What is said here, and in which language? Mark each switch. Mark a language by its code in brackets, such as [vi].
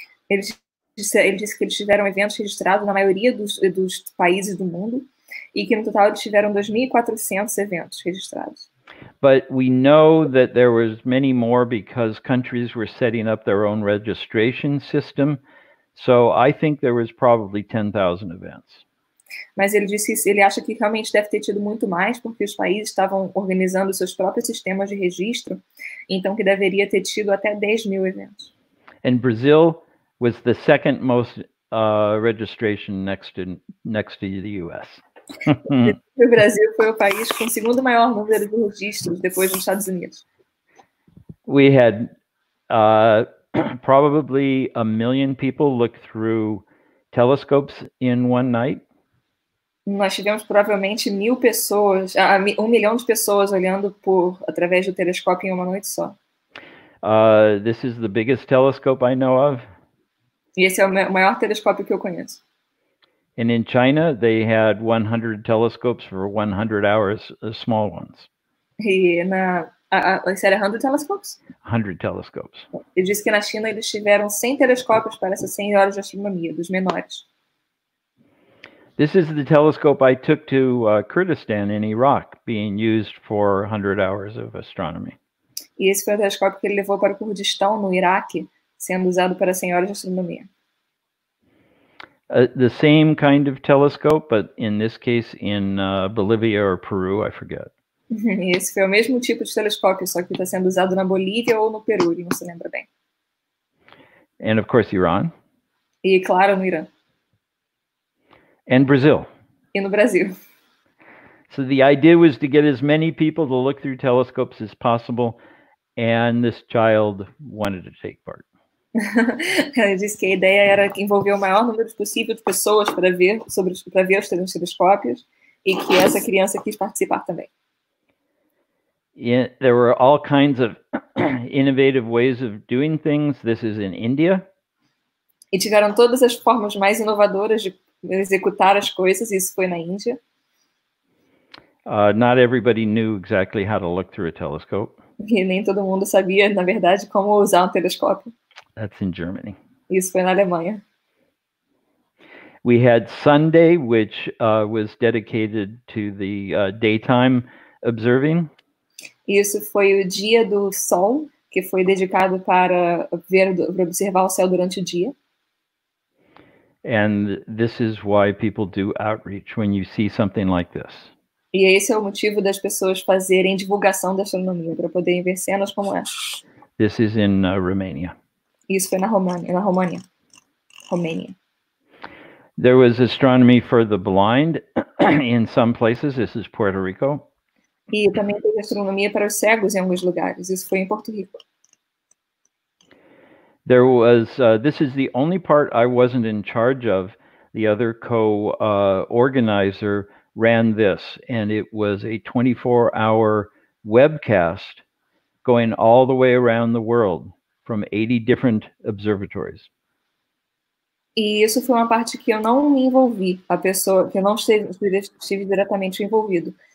[pt] Ele disse que eles tiveram eventos registrados na maioria dos países do mundo, e que no total eles tiveram 2,400 eventos registrados. [en] But we know that there was many more because countries were setting up their own registration system, so I think there was probably 10,000 events. [pt] Mas ele disse que ele acha que realmente deve ter tido muito mais, porque os países estavam organizando seus próprios sistemas de registro, então que deveria ter tido até 10 mil eventos. [en] And Brazil was the second most registration next to the US. [pt] O Brasil foi o país com o segundo maior número de registros depois dos Estados Unidos. [en] We had probably a million people look through telescopes in one night. [pt] Nós tivemos provavelmente 1,000 pessoas, 1 milhão de pessoas olhando por através do telescópio em uma noite só. [en] This is the biggest telescope I know of. [pt] E esse é o maior telescópio que eu conheço. [en] And in China, they had 100 telescopes for 100 hours, small ones. [pt] E na... Isso era 100 telescopes? [en] 100 telescopes. [pt] Ele disse que na China eles tiveram 100 telescópios para essas 100 horas de astronomia, dos menores. [en] This is the telescope I took to Kurdistan in Iraq, being used for 100 hours of astronomy. [pt] E esse foi o telescópio que ele levou para o Kurdistão, no Iraque, sendo usado para 100 horas de astronomia. [en] The same kind of telescope, but in this case in Bolivia or Peru, I forget. [pt] Esse foi o mesmo tipo de telescópio, só que está sendo usado na Bolívia ou no Peru, não se lembra bem. [en] And of course, Iran. [pt] E claro, no Irã. [en] And Brazil. [pt] E no Brasil. [en] So the idea was to get as many people to look through telescopes as possible, and this child wanted to take part. [pt] Ele disse que a ideia era envolver o maior número possível de pessoas para ver sobre para ver os telescópios e que essa criança quis participar também. [en] Yeah, there were all kinds of innovative ways of doing things. This is in India. [pt] E tiveram todas as formas mais inovadoras de executar as coisas. Isso foi na Índia. [en] Not everybody knew exactly how to look through a telescope. [pt] E nem todo mundo sabia, na verdade, como usar um telescópio. [en] That's in Germany. [pt] Isso foi na Alemanha. [en] We had Sunday, which was dedicated to the daytime observing. [pt] Isso foi o dia do sol, que foi dedicado para ver, para observar o céu durante o dia. [en] And this is why people do outreach when you see something like this. [pt] E esse é o motivo das pessoas fazerem divulgação da astronomia, para poderem ver cenas como essa. [en] This is in Romania. [pt] Isso foi na România, na România. România. [en] There was astronomy for the blind in some places. This is Puerto Rico. [pt] E também teve astronomia para os cegos em alguns lugares. Isso foi em Porto Rico. [en] There was this is the only part I wasn't in charge of. The other co-organizer ran this, and it was a 24-hour webcast going all the way around the world from 80 different observatories. [pt] E isso foi uma parte que eu não me envolvi, a pessoa que eu não estive diretamente envolvido.